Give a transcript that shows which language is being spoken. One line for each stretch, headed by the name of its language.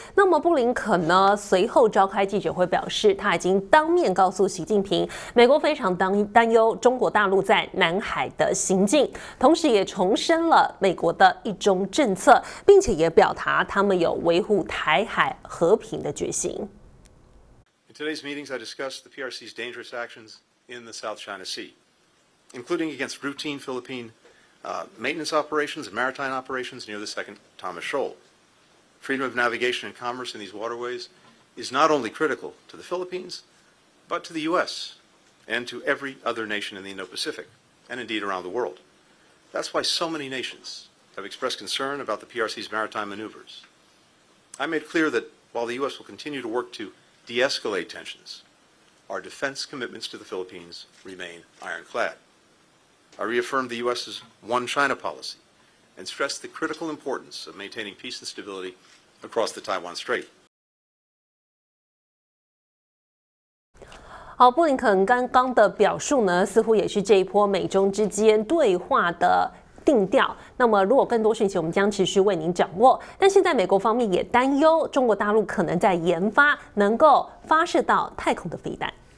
Chinese: 那么布林肯呢，随后召开记者会表示，他已经当面告诉习近平，美国非常担忧中国大陆在南海的行径，同时也重申了美国的一中政策，并且也表达他们有维护台海和平的决心。
English: Today's meetings, I discussed the PRC's dangerous actions in the South China Sea, including against routine Philippine maintenance operations and maritime operations near the Second Thomas Shoal. Freedom of navigation and commerce in these waterways is not only critical to the Philippines, but to the U.S. and to every other nation in the Indo-Pacific, and indeed around the world. That's why so many nations have expressed concern about the PRC's maritime maneuvers. I made clear that while the U.S. will continue to work to de-escalate tensions, our defense commitments to the Philippines remain ironclad. I reaffirmed the U.S.'s One China policy and stressed the critical importance of maintaining peace and stability across the Taiwan Strait.
Chinese: 好，布林肯刚刚的表述呢，似乎也是这一波美中之间对话的定调。那么如果更多讯息我们将持续为您掌握，但现在美国方面也担忧中国大陆可能在研发能够发射到太空的飞弹。